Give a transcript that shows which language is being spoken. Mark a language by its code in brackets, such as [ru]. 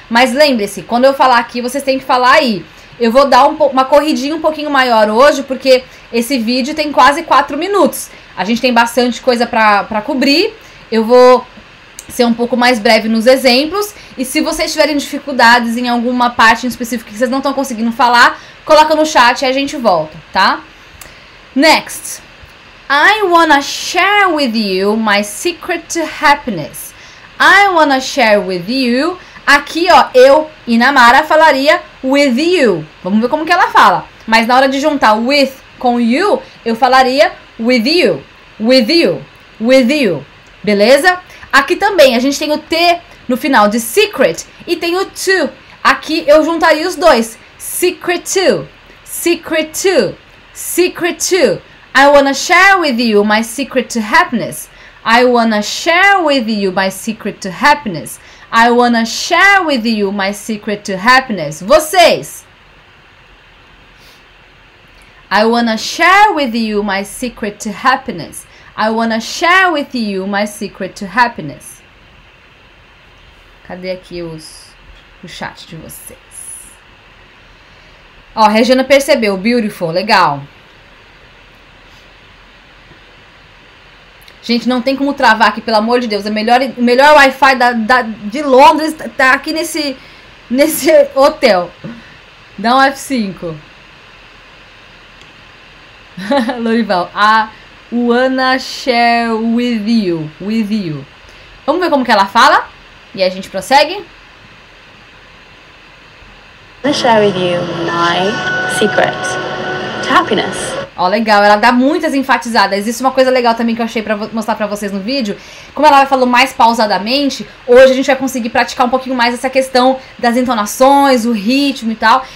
[pt] Mas lembre-se, quando eu falar aqui, vocês têm que falar aí. Eu vou dar uma corridinha um pouquinho maior hoje, porque esse vídeo tem quase 4 minutos. A gente tem bastante coisa pra cobrir. Eu vou ser um pouco mais breve nos exemplos. E se vocês tiverem dificuldades em alguma parte em específico que vocês não estão conseguindo falar, coloca no chat e a gente volta, tá? [en] Next. I wanna share with you my secret to happiness. I wanna share with you. [pt] Aqui, ó, eu e Namara falaria [en] with you. [pt] Vamos ver como que ela fala. Mas na hora de juntar with com you, eu falaria [en] with you. With you. with you. [pt] Beleza? Aqui também a gente tem o T no final de secret e tem o to. Aqui eu juntaria os dois. [en] Secret to, secret to, secret to. I wanna share with you my secret to happiness. I wanna share with you my secret to happiness. I wanna share with you my secret to happiness. [pt] Vocês! [en] I wanna share with you my secret to happiness. I wanna share with you my secret to happiness. [pt] Cadê aqui o chat de vocês? Ó, a Regina percebeu. [en] Beautiful, [pt] legal. Gente, não tem como travar aqui, pelo amor de Deus. O melhor Wi-Fi de Londres tá aqui nesse hotel. Dá um F5. [en] Lorival, I wanna share with you, with you. [pt] Vamos ver como que ela fala e a gente prossegue. [en] I wanna share with you my secret to happiness. [pt] Ó, legal, ela dá muitas enfatizadas. Isso é uma coisa legal também que eu achei pra mostrar pra vocês no vídeo. Como ela falou mais pausadamente, hoje a gente vai conseguir praticar um pouquinho mais essa questão das entonações, o ritmo e tal.